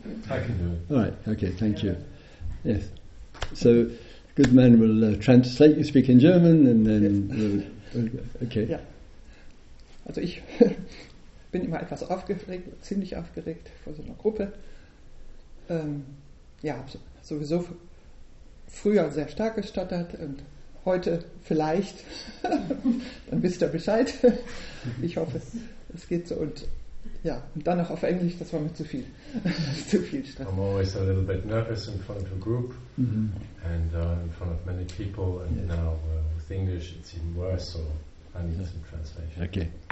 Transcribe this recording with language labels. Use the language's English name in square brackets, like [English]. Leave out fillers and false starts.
[English] I can do it. All right, okay, thank you. Yes. So, good man will translate, you speak in German, and then... Okay. [German] Ja. Also ich bin immer etwas aufgeregt, ziemlich aufgeregt vor so einer Gruppe. Ja, sowieso früher sehr stark gestottert und heute vielleicht, dann wisst ihr Bescheid. Ich hoffe, es geht so und... Ja, und dann noch auf Englisch, das war mir zu viel. Zu viel Stress. [English] I'm always a little bit nervous in front of a group and in front of many people and now with English it's even worse, so I need some translation.